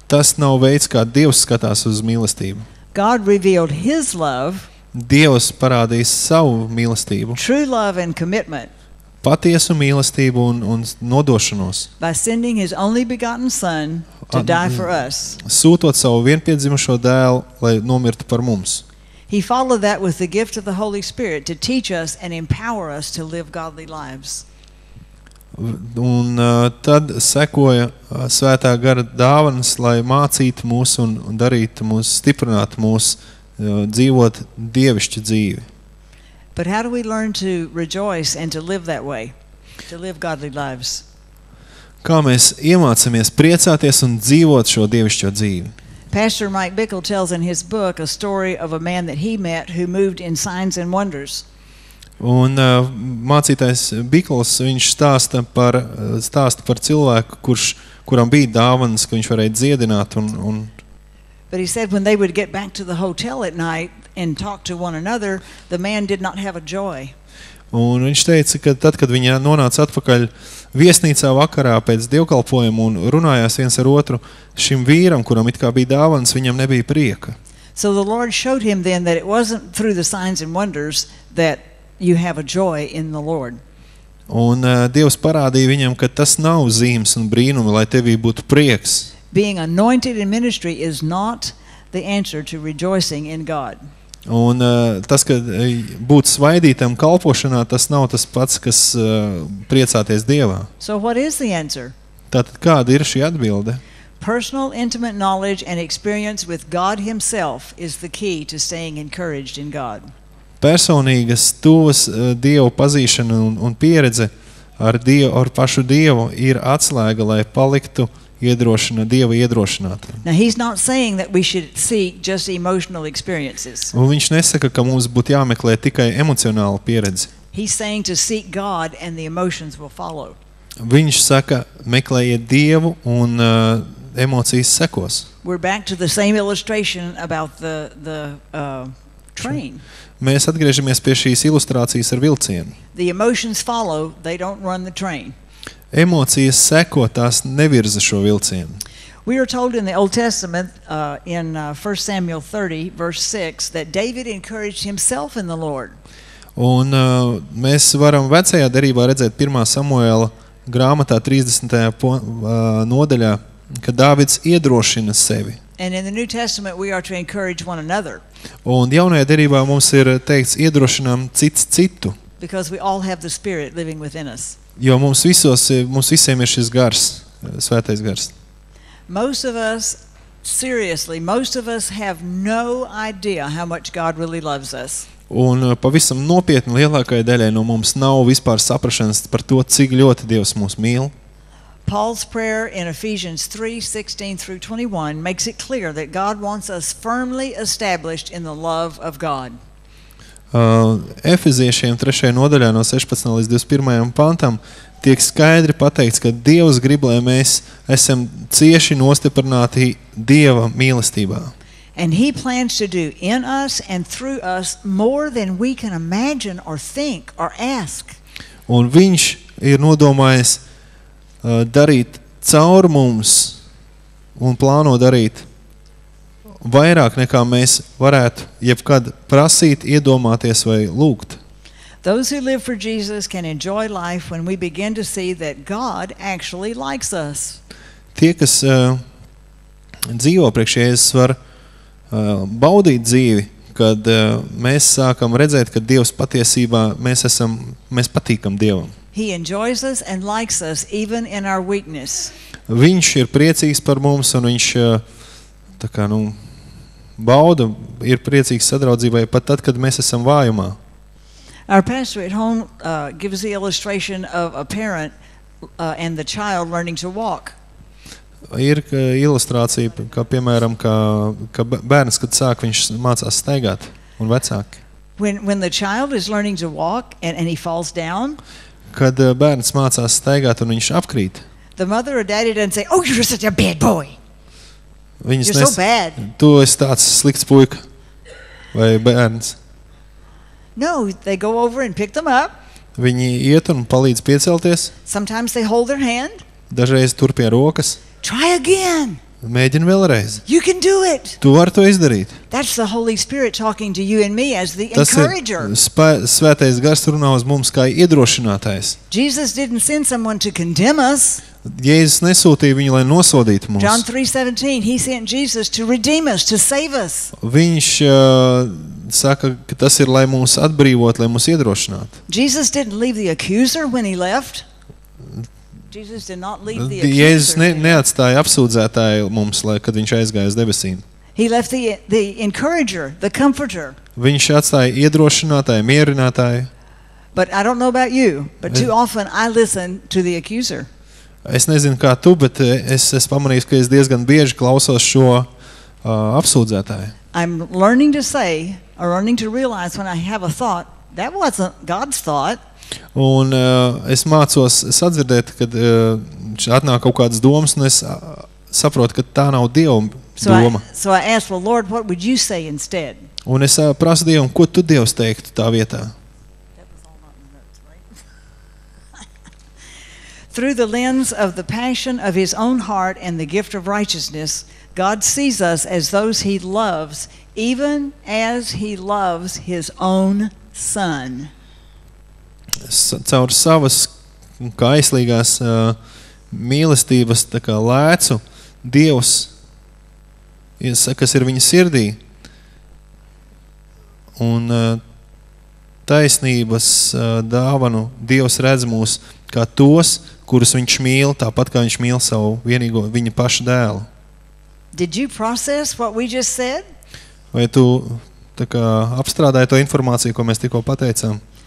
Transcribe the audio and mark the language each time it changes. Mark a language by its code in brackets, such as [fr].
[lv] Tas nav veids, kā Dievs skatās uz mīlestību. [en] God revealed his love. [lv] Dievs parādīs savu mīlestību. [en] True love and commitment. [lv] Patiesu mīlestību un nodošanos. [en] By sending his only begotten son to die for us. [lv] Sūtot savu vienpiedzimušo dēlu, lai nomirtu par mums. [en] He followed that with the gift of the Holy Spirit to teach us and empower us to live godly lives. [lv] Un tad sekoja Svētā gara dāvanas, lai mācītu mūs un darītu mūs, stiprinātu mūs dzīvot dievišķu dzīvi. [en] But how do we learn to rejoice and to live that way? To live godly lives. [lv] Kā mēs iemācāmies priecāties un dzīvot šo dievišķo dzīvi? [en] Pastor Mike Bickle tells in his book a story of a man that he met who moved in signs and wonders. [lv] Un mācītājs Bickles, viņš stāsta par cilvēku, kuram bija dāvanas, ka viņš varēja dziedināt un [en] But he said when they would get back to the hotel at night and talk to one another, the man did not have a joy. [lv] Un viņš teica, ka tad, kad viņi nonāca atpakaļ viesnīcā vakarā pēc dievkalpojuma un runājās viens ar otru, šim vīram, kuram it kā bija dāvanas, viņam nebija prieka. [en] So the Lord showed him then that it wasn't through the signs and wonders that you have a joy in the Lord. [lv] Un Dievs parādīja viņam, ka tas nav zīmes un brīnumi, lai tevī būtu prieks. [en] Being anointed in ministry is not the answer to rejoicing in God. [lv] Un tas, ka būt svaidītam kalpošanā, tas nav tas pats, kas priecāties Dievā. [en] So what is the answer? [lv] Tātad kāda ir šī atbilde? [en] Personal intimate knowledge and experience with God himself is the key to staying encouraged in God. [lv] Personīgas tuvas Dievu pazīšana un pieredze ar Dievu, ar pašu Dievu ir atslēga, lai paliktu iedrošina Dieva iedrošināt. [en] Now he's not saying that we should seek just emotional experiences. [lv] Un viņš nesaka, ka mums būtu jāmeklē tikai emocionālu pieredzi. [en] He's saying to seek God and the emotions will follow. [lv] Viņš saka, meklējiet Dievu un emocijas sekos. [en] We're back to the same illustration about the train. [lv] Mēs atgriežamies pie šīs ilustrācijas ar vilcienu. [en] The emotions follow, they don't run the train. [lv] Emocijas seko, tās nevirza šo vilcienu. [en] We are told in the Old Testament in 1 Samuel 30 verse 6 that David encouraged himself in the Lord. [lv] Un mēs varam vecajā derībā redzēt 1. Samuela grāmatā 30. Nodaļā, ka Dāvids iedrošina sevi. [en] And in the New Testament we are to encourage one another. [lv] Un jaunajā derībā mums ir teikts iedrošinām cits citu. [en] Because we all have the Spirit living within us. [lv] Jo mums visiem ir šis gars, svētais gars. [en] Most of us, seriously, most of us have no idea how much God really loves us. [lv] Un pavisam nopietni lielākajai daļai no mums nav vispār saprašanas par to, cik ļoti Dievs mūs mīl. [en] Paul's prayer in Ephesians 3:16 through 21 makes it clear that God wants us firmly established in the love of God. [lv] Efeziešiem 3. Nodaļā no 16. Līdz 21. Pantam tiek skaidri pateikts, ka Dievs grib, lai mēs esam cieši nostiprināti Dieva mīlestībā. [en] And he plans to do in us and through us more than we can imagine or think or ask. [lv] Un viņš ir nodomājis darīt caur mums un plāno darīt vairāk nekā mēs varētu jebkad prasīt, iedomāties vai lūgt. [en] Those who live for Jesus can enjoy life when we begin to see that God actually likes us. [lv] Tie, kas dzīvo priekš Jēzus, var baudīt dzīvi, kad mēs sākam redzēt, ka Dievs patiesībā mēs patīkam Dievam. [en] He enjoys us and likes us even in our weakness. [lv] Viņš ir priecīgs par mums un viņš tā kā, nu, bauda, ir priecīgs sadraudzībai pat tad, kad mēs esam vājumā. [en] Our pastor at home gives the illustration of a parent and the child learning to walk. [lv] Ir ilustrācija, kā piemēram, ka bērns, kad sāk, viņš mācās staigāt un vecāki. [en] When the child is learning to walk and he falls down, [lv] kad bērns mācās staigāt un viņš apkrīt. [en] The mother or daddy didn't say, "Oh, you're such a bad boy." You're so bad. [lv] Tu esi tāds slikts puika vai bērns. [en] No, they go over and pick them up. [lv] Viņi iet un palīdz piecelties. [en] Sometimes they hold their hand. [lv] Dažreiz tur pie rokas. [en] Try again. [lv] Mēģini vēlreiz. [en] You can do it. [lv] Tu vari to izdarīt. [en] That's the Holy Spirit talking to you and me as the encourager. [lv] Tas ir svētais gars runā uz mums kā iedrošinātājs. [en] Jesus didn't send someone to condemn us. [lv] Jēzus nesūtīja viņu, lai nosodītu mums. [en] John 3:17, he sent Jesus to redeem us, to save us. [lv] Viņš saka, ka tas ir, lai mūs atbrīvot, lai mūs iedrošināt. [en] Jesus didn't leave the accuser when he left. Jesus did not leave the accuser. [lv] Jēzus neatstāja apsūdzētāju mums, kad viņš aizgāja uz debesīm. [en] He left the encourager, the comforter. [lv] Viņš atstāja iedrošinātāju, mierinātāju. [en] But I don't know about you, but too often I listen to the accuser. [lv] Es nezinu kā tu, bet es pamanīju, ka es diezgan bieži klausos šo apsūdzētāju. [en] I'm learning to say or learning to realize when I have a thought, that wasn't God's thought. [lv] Un es mācos sadzirdēt, kad atnāk kaut kādas domas, un es saprotu, ka tā nav Dieva doma. [en] So I ask, well, Lord, what would you say instead? [lv] Un es prasu Dievam, ko tu Dievs teiktu tā vietā? [en] through the lens of the passion of his own heart and the gift of righteousness, God sees us as those he loves, even as he loves his own son. [lv] Caur savas kaislīgās mīlestības tā kā lēcu, Dievs, kas ir viņa sirdī, un taisnības dāvanu Dievs redz mūs kā tos, kurus viņš mīl, tāpat kā viņš mīl savu vienīgo viņa pašu dēlu. [en] Did you process what we just said? [lv] Vai tu tā kā apstrādāji to informāciju, ko mēs tikko pateicām?